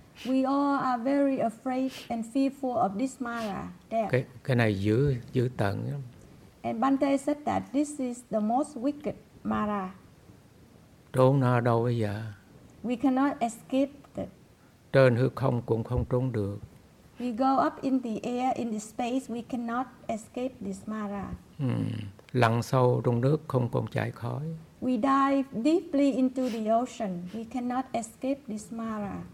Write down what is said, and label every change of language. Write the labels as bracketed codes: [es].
[en] We all are very afraid and fearful of this Mara, death. [vi] Cái này dữ tận lắm. [en] And Bhante said that this is the most wicked Mara. [vi] Trốn nó đâu bây giờ? [en] We cannot escape it. [vi] Trên hư không cũng không trốn được. [en] We go up in the air, in the space, we cannot escape this Mara. [vi] Lặn sâu trong nước không còn chạy khỏi. [en] We dive deeply into the ocean, we cannot escape this Mara.